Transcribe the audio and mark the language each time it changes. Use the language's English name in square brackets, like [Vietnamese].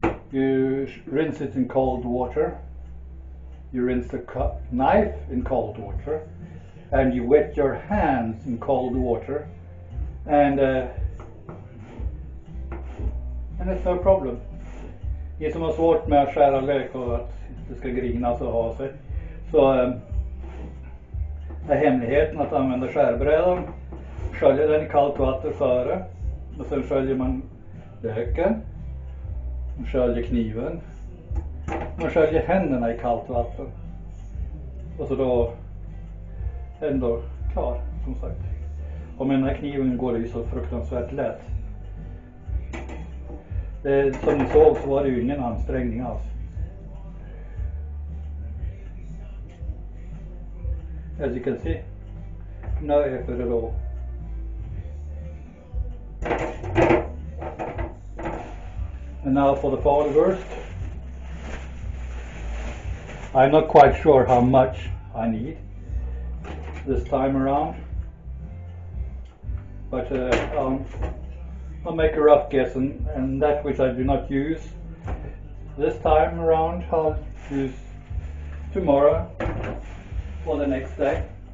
[English] You rinse it in cold water, you rinse the knife in cold water, and you wet your hands in cold water, and it's no problem. [Swedish] Det som har svårt med att skära lök och att det ska grinas och ha sig, så är hemligheten att använda skärbrädan. Skölja den i kallt vatten före, och sen sköljer man löken, man sköljer kniven, man sköljer händerna i kallt vatten, och så då ändå klar, som sagt. Och med den här kniven går det ju så fruktansvärt lätt. Som ni såg så var det ju ingen ansträngning alls. [English] As you can see, no effort at all. And now for the final burst. I'm not quite sure how much I need this time around, but I'll make a rough guess, and that which I do not use this time around, I'll use tomorrow or the next day.